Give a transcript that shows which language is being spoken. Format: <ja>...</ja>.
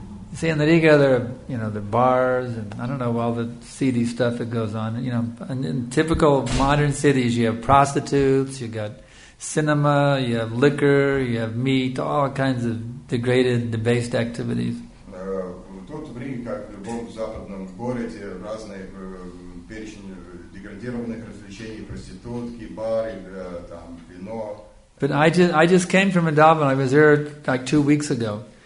<en>You see, in the Riga, there are, you know, the bars, and I don't know all the seedy stuff that goes on. You know, in typical modern cities, you have prostitutes, you got cinema, you have liquor, you have meat, all kinds of degraded, debased activities.</en> <ru>Тут в Риге, как в любом западном городе, разные перечень деградированных развлечений, проститутки, бары, там вино.</ru> <en>But I just came from Vrindavan. I was there like 2 weeks ago.</en>